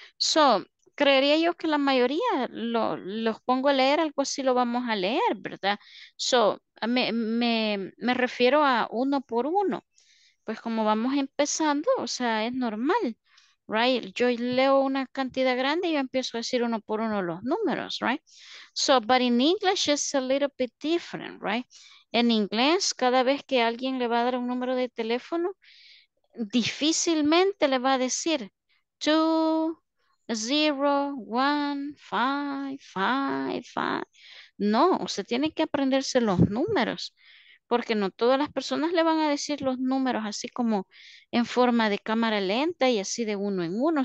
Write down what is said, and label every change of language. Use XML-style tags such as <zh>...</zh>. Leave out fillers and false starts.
<es>So, creería yo que la mayoría los pongo a leer, algo así lo vamos a leer, ¿verdad? So, me refiero a uno por uno. Pues como vamos empezando, o sea, es normal, right? Yo leo una cantidad grande y yo empiezo a decir uno por uno los números, right?</es> <en>So, but in English it's a little bit different, right?</en> <es>En inglés, cada vez que alguien le va a dar un número de teléfono, difícilmente le va a decir 2, 0, 1, 5, 5, 5. No, usted tiene que aprenderse los números, porque no todas las personas le van a decir los números así como en forma de cámara lenta y así de uno en uno.</es>